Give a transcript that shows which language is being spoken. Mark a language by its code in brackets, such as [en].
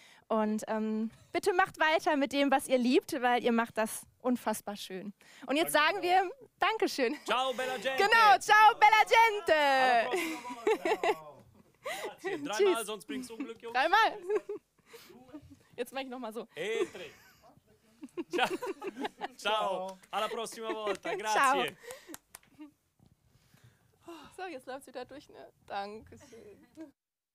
[de] Und bitte macht weiter mit dem, was ihr liebt, weil ihr macht das unfassbar schön. Und jetzt sagen wir Dankeschön. [it] Ciao, bella gente. Genau, ciao, bella gente. [de] Dreimal, sonst bringst du Unglück, Jungs. Dreimal. Jetzt mache ich nochmal so. [it] Ciao. Ciao, alla prossima volta, grazie. [de] Ciao. So, jetzt läuft sie da durch, ne? Dankeschön.